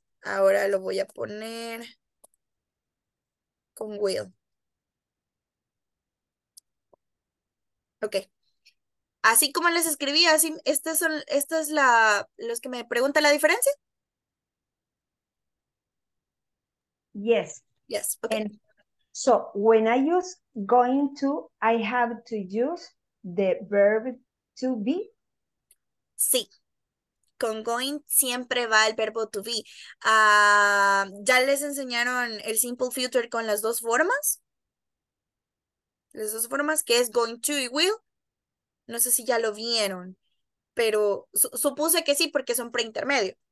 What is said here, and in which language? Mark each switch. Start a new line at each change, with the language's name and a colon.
Spanish: Ahora lo voy a poner con will.
English: Okay.
Spanish: Así como les escribí, así estas son, esta es la, los que me pregunta la diferencia.
English: Yes. Yes. Okay. And so when I use going to, I have to use the verb to be.
Spanish: Sí. Con going siempre va el verbo to be. ¿Ya les enseñaron el simple future con las dos formas? Las dos formas, que es going to y will. No sé si ya lo vieron, pero supuse que sí porque son preintermedio.